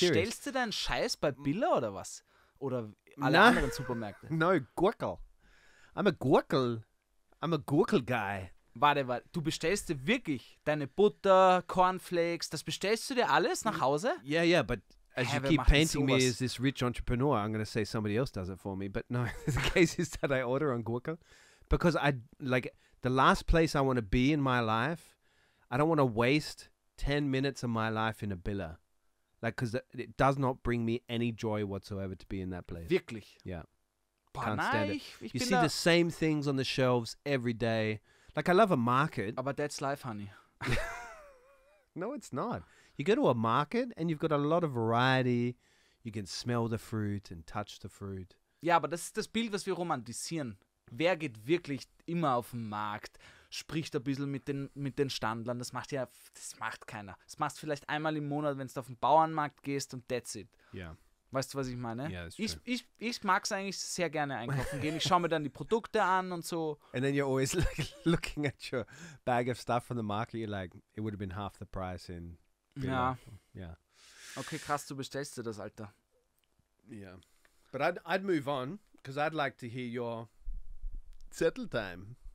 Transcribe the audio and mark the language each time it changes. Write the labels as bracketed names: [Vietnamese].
[German] Du bestellst dir deinen Scheiß bei Billa oder was? Oder alle anderen Supermärkte? [English] No, Gurkel. I'm a Gurkel guy. [German] Warte. Du bestellst dir wirklich deine Butter, Cornflakes, das bestellst du dir alles nach Hause? [English] Yeah, but as you keep painting me as this rich entrepreneur, I'm going to say somebody else does it for me. But no, the case is that I order on Gurkel. Because I, like, the last place I want to be in my life, I don't want to waste 10 minutes of my life in a Billa. Like, because it does not bring me any joy whatsoever to be in that place. [German] Wirklich? [English] Yeah. Boah, can't stand it. You see the same things on the shelves every day. Like, I love a market. But that's life, honey. No, it's not. You go to a market and you've got a lot of variety. You can smell the fruit and touch the fruit. Yeah, but that's the Bild, [German] was wir romantisieren. Wer geht wirklich immer auf den Markt, spricht ein bisschen mit den Standlern? Das macht keiner. Das machst du vielleicht einmal im Monat, wenn du auf den Bauernmarkt gehst und [English] that's it. Yeah. [German] Weißt du, was ich meine? [English] Yeah, that's true. [German] Ich mag es eigentlich sehr gerne einkaufen gehen. Ich schaue mir dann die Produkte an und so. [English] And then you're always like looking at your bag of stuff from the market. You're like, it would have been half the price in [German] Billa. Ja. [English] Yeah. [German] Okay, krass, du bestellst dir das, Alter. [English] Yeah. But I'd move on, because I'd like to hear your Zettel-Time.